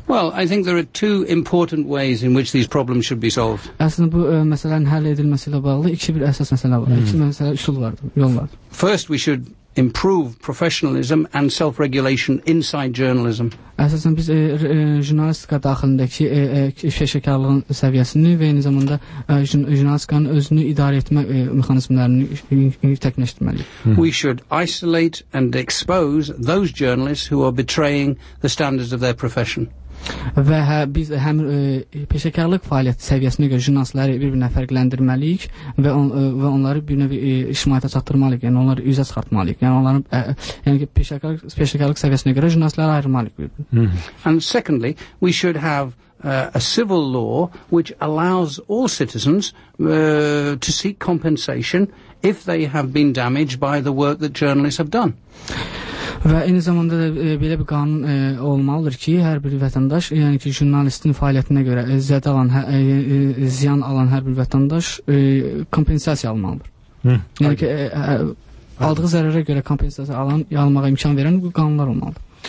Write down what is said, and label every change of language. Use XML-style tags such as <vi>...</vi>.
<en>Well, I think there are two important ways in which these problems should be solved.</en> <az>Aslında bu məsələnin həll edilməsilə bağlı iki bir əsas məsələ var. İki məsələ üsul var, yol var.</az> <en>First, we should improve professionalism and self-regulation inside journalism.</en> <az>Əsasən biz jurnalistika daxilindəki peşəkarlığın səviyyəsini və eyni zamanda jurnalistikanın özünü idarə etmə mexanizmlərini təkmilləşdirməliyik.</az> <en>We should isolate and expose those journalists who are betraying the standards of their profession.</en> <az>Və biz həm peşəkarlıq fəaliyyət səviyyəsinə görə jurnalistləri bir-birinə fərqləndirməliyik və və onları bir növ ictimaiyyətə çatdırmalıyıq, yəni onları üzə çıxartmalıyıq, yəni onların peşəkarlıq səviyyəsinə görə jurnalistləri ayırmalıyıq.</az> <en>And secondly, we should have a civil law which allows all citizens to seek compensation if they have been damaged by the work that journalists have done.</en> <az>Və eyni zamanda da belə bir qanun olmalıdır ki, hər bir vətəndaş, yəni ki, jurnalistin fəaliyyətinə görə ziyan alan hər bir vətəndaş kompensasiya almalıdır. Yəni ki, aldığı zərərə görə kompensasiya alan, almağa imkan verən bu qanunlar olmalıdır.</az>